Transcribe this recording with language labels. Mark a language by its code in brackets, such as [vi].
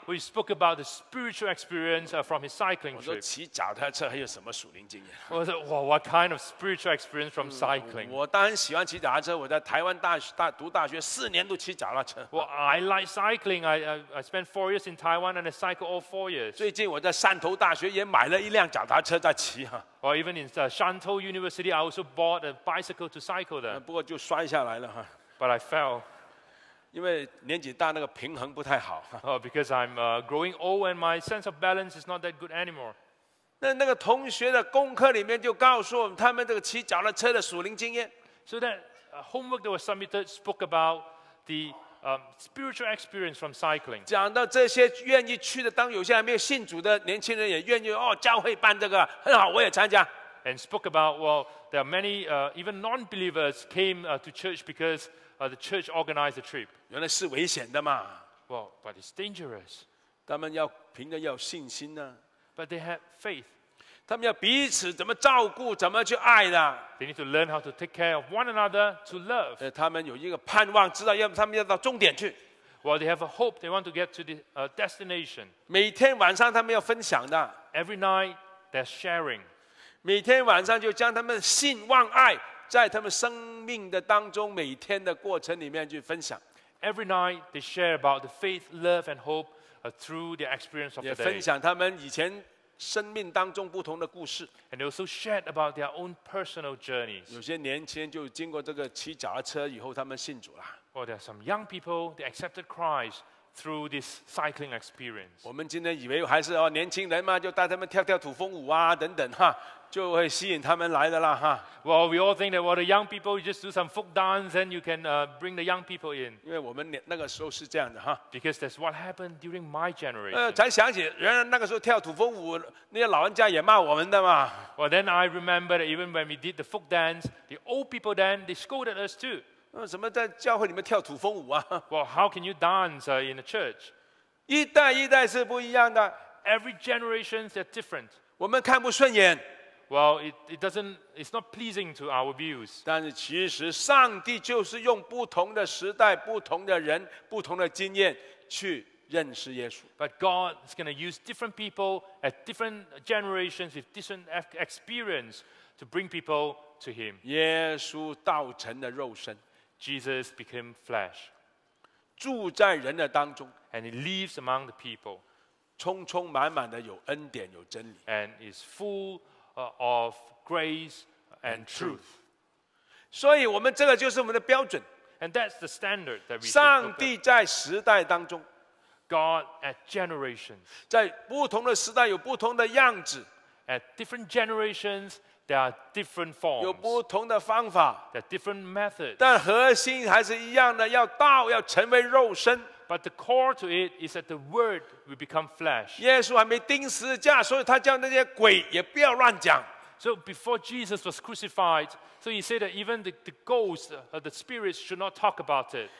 [en] We spoke about the spiritual experience from his cycling trip. [zh] 我说骑脚踏车还有什么属灵经验？我说 [en] well, what kind of spiritual experience from cycling? [zh] 我当然喜欢骑脚踏车。我在台湾读大学四年都骑脚踏车。 [en] Well, I like cycling. I spent 4 years in Taiwan and I cycle all 4 years. [zh] 最近我在汕头大学也买了一辆脚踏车在骑哈。 [en] Well, even in Shantou University, I also bought a bicycle to cycle there. [zh] 不过就摔下来了哈。 [en] But I fell. [zh] 因为年纪大，那个平衡不太好。 [en] Because I'm growing old and my sense of balance is not that good anymore. [zh] 那个同学的功课里面就告诉我们他们这个骑脚踏车的属灵经验。 [en] So that homework that was submitted spoke about the spiritual experience from cycling. [zh] 讲到这些愿意去的，当有些还没有信主的年轻人也愿意哦，教会办这个很好，我也参加。 [en] And spoke about well, there are many even non-believers came to church because. The church organized the trip. [zh] 原来是危险的嘛。 [en] Well, but it's dangerous. [zh] 他们要凭着要信心呢。 [en] But they have faith. [zh] 他们要彼此怎么照顾，怎么去爱的。 [en] They need to learn how to take care of one another to love. [zh] 他们有一个盼望，知道要他们要到终点去。 [en] Well, they have a hope. They want to get to the destination. [zh] 每天晚上他们要分享的。 [en] Every night, they're sharing. [zh] 每天晚上就将他们信望爱。在他们生命的当中每天的过程里面去分享 [en] Every night they share about the faith, love and hope through their experience of the day [zh] 也分享他们以前生命当中不同的故事 [en] And they also share about their own personal journeys [zh] 有些年轻人就经过这个骑脚踏车以后他们信主了 [en] Well, there are some young people they accepted Christ through this cycling experience [zh] 我们今天以为还是、哦、年轻人嘛就带他们跳跳土风舞啊等等哈就会吸引他们来的啦哈。 [en] Well, we all think that well, the young people you just do some folk dance, and you can bring the young people in. [zh] 因为我们那个时候是这样的哈。 [en] Because that's what happened during my generation. [zh] 才想起，原来那个时候跳土风舞，那些老人家也骂我们的嘛。 [en] Well, then I remember that even when we did the folk dance, the old people then they scolded us too. [zh] 怎么在教会里面跳土风舞啊 [en] ？Well, how can you dance in the church? [zh] 一代一代是不一样的。 [en] Every generation is different. [zh] 我们看不顺眼。 [en] Well, it's not pleasing to our views. [zh] 但是其实上帝就是用不同的时代、不同的人、不同的经验去认识耶稣。 [en] But God is going to use different people at different generations with different experience to bring people to Him. [zh] 耶稣道成的肉身 [en] ，Jesus became flesh， [zh] 住在人的当中 [en] ，and He lives among the people， [zh] 充充满满的有恩典、有真理 [en] ，and is full。 Of grace and truth. [zh] 所以我们这个就是我们的标准。 [en] And that's the standard that we. [zh] 上帝在时代当中。 [en] God at generations. [zh] 在不同的时代有不同的样子。 [en] At different generations, there are different forms. [zh] 有不同的方法。 [en] There are different methods. [zh] 但核心还是一样的，要道要成为肉身。 [en] But the core to it is that the word will become flesh. [zh] 耶稣还没钉十字架，所以他叫那些鬼也不要乱讲。 [en] So before Jesus was crucified, so he said that even the ghosts, the spirits should not talk about it.